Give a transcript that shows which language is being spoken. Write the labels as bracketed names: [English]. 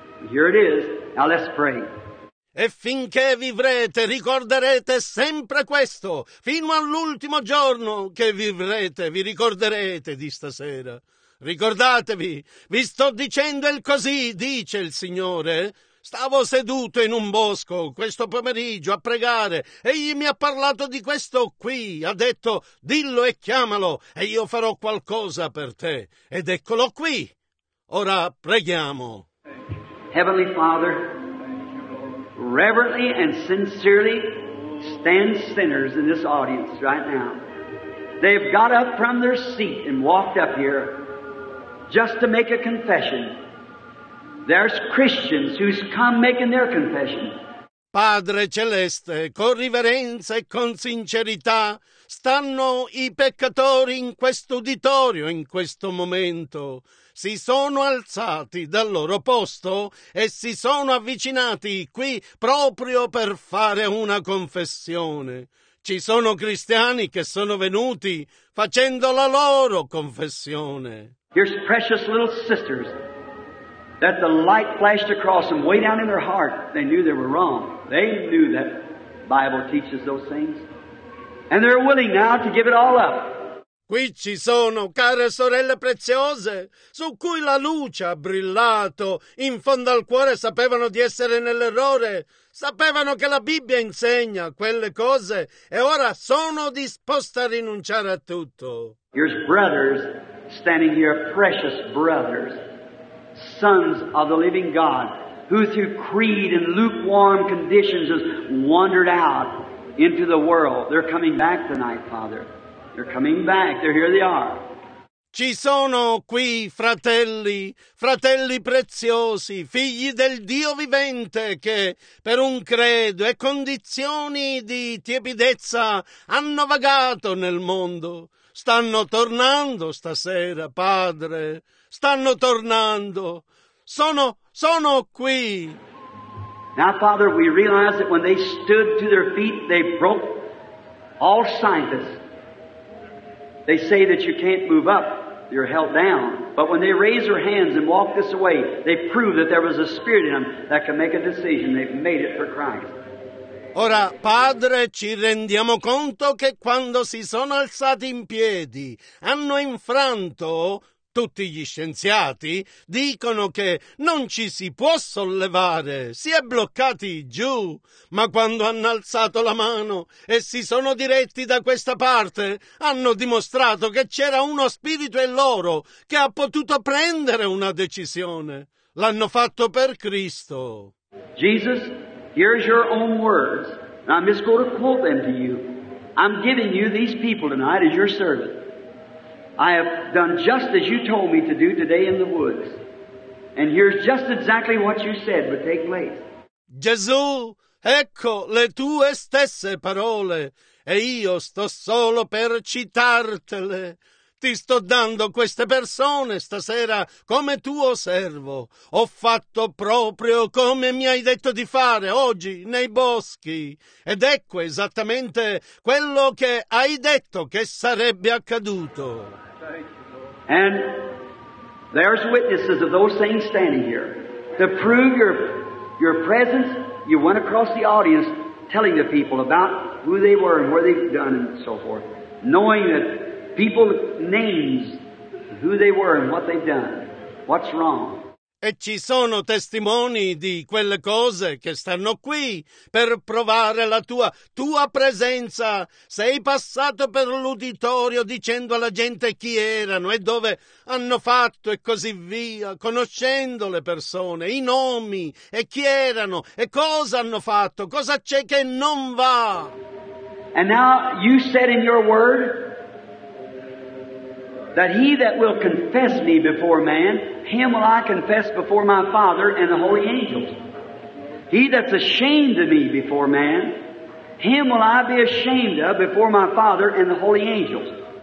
[English] Here it is. Now let's pray. [Italian] E finché vivrete, ricorderete sempre questo. Fino all'ultimo giorno che vivrete, vi ricorderete di stasera. Ricordatevi, vi sto dicendo il così, dice il Signore. Stavo seduto in un bosco questo pomeriggio a pregare. Egli mi ha parlato di questo qui. Ha detto, dillo e chiamalo e io farò qualcosa per te. Ed eccolo qui. Ora preghiamo. [English] Heavenly Father, reverently and sincerely stand sinners in this audience right now. They've got up from their seat and walked up here just to make a confession. There's Christians who's come making their confession. [Italian] Padre Celeste, con riverenza e con sincerità, stanno i peccatori in questo uditorio in questo momento. Si sono alzati dal loro posto e si sono avvicinati qui proprio per fare una confessione. Ci sono cristiani che sono venuti facendo la loro confessione. [English] Here's precious little sisters that the light flashed across them way down in their heart. They knew they were wrong. They knew that the Bible teaches those things. And they're willing now to give it all up. [Italian] Qui ci sono, care sorelle preziose, su cui la luce ha brillato, in fondo al cuore sapevano di essere nell'errore, sapevano che la Bibbia insegna quelle cose e ora sono disposte a rinunciare a tutto. [English] Here's brothers standing here, precious brothers, sons of the living God, who through creed and lukewarm conditions has wandered out into the world. They're coming back tonight, Father. They're coming back. They're here they are. [Italian] Ci sono qui fratelli preziosi, figli del Dio vivente che per un credo e condizioni di tiepidezza hanno vagato nel mondo. Stanno tornando stasera, Padre. Stanno tornando. Sono qui. [English] Now, Father, we realize that when they stood to their feet, they broke all scientists. They say that you can't move up, you're held down. But when they raise their hands and walk this way, they prove that there was a spirit in them that can make a decision. They've made it for Christ. [Italian] Ora, Padre, ci rendiamo conto che quando si sono alzati in piedi, hanno infranto tutti gli scienziati dicono che non ci si può sollevare, si è bloccati giù. Ma quando hanno alzato la mano e si sono diretti da questa parte, hanno dimostrato che c'era uno spirito in loro che ha potuto prendere una decisione. L'hanno fatto per Cristo. [English] Jesus, here's your own words. Now I'm just going to quote them to you. I'm giving you these people tonight as your servant. I have done just as you told me to do today in the woods. And here's just exactly what you said would take place. [Italian] Gesù, ecco le tue stesse parole, e io sto solo per citartele. Ti sto dando queste persone stasera come tuo servo. Ho fatto proprio come mi hai detto di fare oggi nei boschi. Ed ecco esattamente quello che hai detto che sarebbe accaduto. [English] And there's witnesses of those things standing here. To prove your presence, you went across the audience telling the people about who they were and where they've done and so forth, knowing that people names who they were and what they've done. What's wrong? [Italian] E ci sono testimoni di quelle cose che stanno qui per provare la tua presenza. Sei passato per l'uditorio dicendo alla gente chi erano e dove hanno fatto e così via, conoscendo le persone, i nomi e chi erano e cosa hanno fatto, cosa c'è che non va. [English] And now you said in your word that he that will confess me before man, him will I confess before my Father and the holy angels. He that's ashamed of me before man, him will I be ashamed of before my Father and the holy angels.